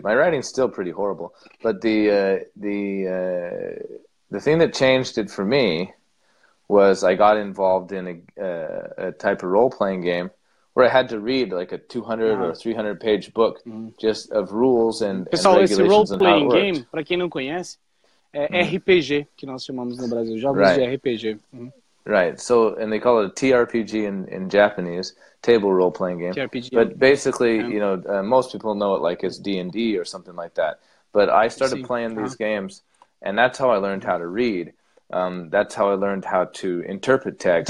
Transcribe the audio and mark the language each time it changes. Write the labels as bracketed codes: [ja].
[en] My writing's still pretty horrible. But the thing that changed it for me was I got involved in a type of role playing game where I had to read like a 200 or 300 page book just of rules and [pt] pessoal, [en] and regulations. [pt] Pessoal, esse role playing game, para quem não conhece, é RPG que nós chamamos no Brasil, jogos de RPG. [en] Right, so, and they call it a TRPG in Japanese, table role-playing game. TRPG. But basically, you know, most people know it like as D&D or something like that. But I started playing these games, and that's how I learned how to read. That's how I learned how to interpret text.